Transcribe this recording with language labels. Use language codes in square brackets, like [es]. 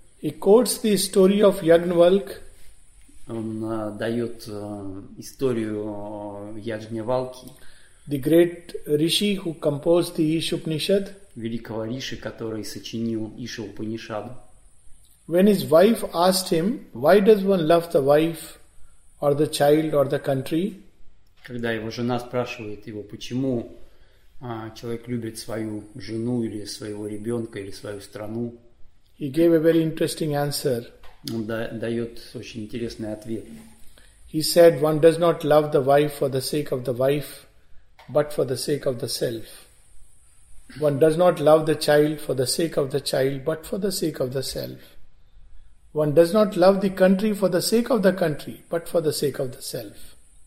[en] He quotes the story of Yajnavalk. [ru] Он дает историю Яджневалки. [en] The great Rishi who composed the Ишупанишад. [ru] Великого Риши, который сочинил Ишупанишаду. [en] When his wife asked him, why does one love the wife or the child or the country? [ru] Когда его жена спрашивает его, почему человек любит свою жену или своего ребенка или свою страну, [en] he gave a very interesting answer. [ru] Он дает очень интересный ответ. [en] He said, one does not love the wife for the sake of the wife, but for the sake of the self. One does not love the child for the sake of the child, but for the sake of the self. One does not love the country for the sake of the country, but for the sake of the self.